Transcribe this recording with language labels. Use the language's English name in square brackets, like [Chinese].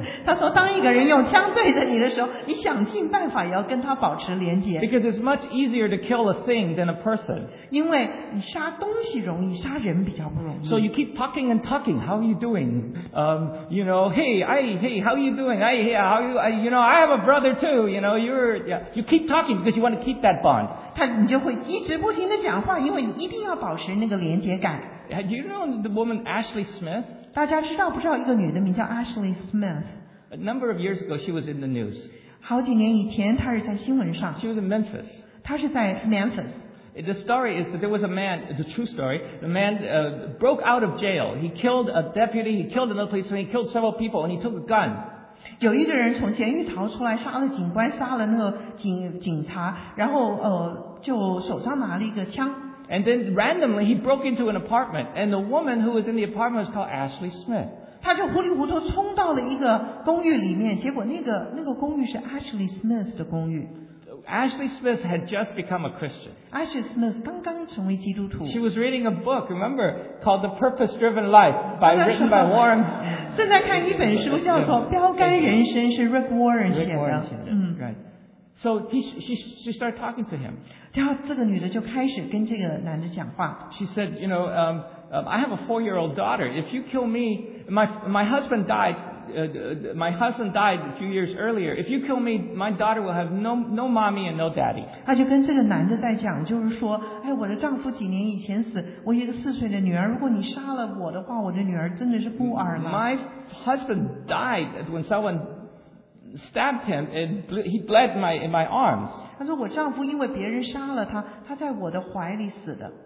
[Chinese] 他说当一个人用枪对着你的时候，你想尽办法也要跟他保持连结。 [English] Because it's much easier to kill a thing than a person. [Chinese] 因为你杀东西容易，杀人比较不容易。 [English] So you keep talking and talking. How are you doing? You know, hey, how are you doing? I have a brother too. You know, you keep talking because you want to keep that bond. [Chinese] 他你就会一直不停的讲话，因为你一定要保持那个连结感。 [English] Do you know the woman Ashley Smith? [Chinese] 大家知道不知道一个女的名叫 Ashley Smith? [English] A number of years ago, she was in the news. [Chinese] 好几年以前，她是在新闻上。 [English] She was in Memphis. [Chinese] 她是在 Memphis. [English] The story is that there was a man. It's a true story. The man broke out of jail. He killed a deputy. He killed another policeman. He killed several people, and he took a gun. [Chinese] 有一个人从监狱逃出来，杀了警官，杀了那个警察，然后就手上拿了一个枪。 [English] And then randomly he broke into an apartment, and the woman who was in the apartment was called Ashley Smith. [Chinese] 他就糊里糊涂冲到了一个公寓里面，结果那个公寓是 Ashley Smith 的公寓。 [English] Ashley Smith had just become a Christian. [Chinese] Ashley Smith 刚刚成为基督徒。 [English] She was reading a book, remember, called The Purpose-Driven Life, written by Warren. [Chinese] 正在看一本书叫做《标杆人生》，是 Rick Warren 写的。 [English] Rick Warren [Chinese] 写的，嗯 [English] ，right。 So she started talking to him. [Chinese] 然后这个女的就开始跟这个男的讲话。 [English] She said, you know, I have a four-year-old daughter. If you kill me, my husband died a few years earlier. If you kill me, my daughter will have no mommy and no daddy. [Chinese] 她就跟这个男的在讲，就是说，哎，我的丈夫几年以前死，我一个四岁的女儿，如果你杀了我的话，我的女儿真的是孤儿了。 [English] My husband died when someone stabbed him and he bled in my arms. [Chinese] 他说我丈夫因为别人杀了他在我的怀里死的。